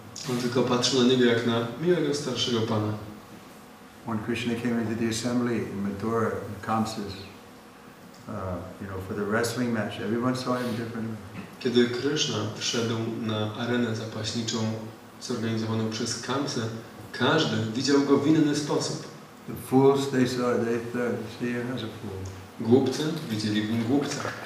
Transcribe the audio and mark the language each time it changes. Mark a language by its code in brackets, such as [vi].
[pl] On tylko patrzył na niego jak na miłego starszego pana. [en] When Krishna came into the assembly in Mathura, in Kamsas, for the wrestling match, everyone saw him differently. [pl] Kiedy Krishna wszedł na arenę zapaśniczą zorganizowaną przez Kamsę, każdy widział go w inny sposób. [en] The fools, they saw, they see him as a fool. [pl] Głupcy widzieli w nim głupca.